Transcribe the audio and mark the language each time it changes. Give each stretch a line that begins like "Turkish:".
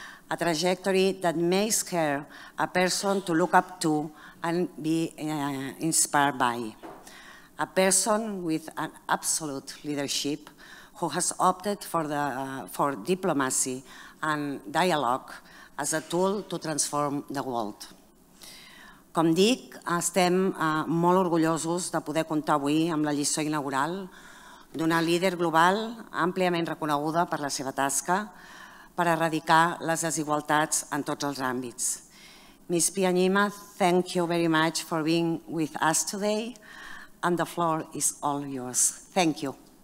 English: a trajectory that makes her a person to look up to and be inspired by. A person with an absolute leadership who has opted for for diplomacy and dialogue as a tool to transform the world.
Catalan: Com dic, estem molt orgullosos de poder comptar avui amb la Lliçó inaugural d'una líder global àmpliament reconeguda per la seva tasca per erradicar les desigualtats en tots els àmbits.
English: Ms. Byanyima, thank you very much for being with us today, and the floor is all yours. Thank you.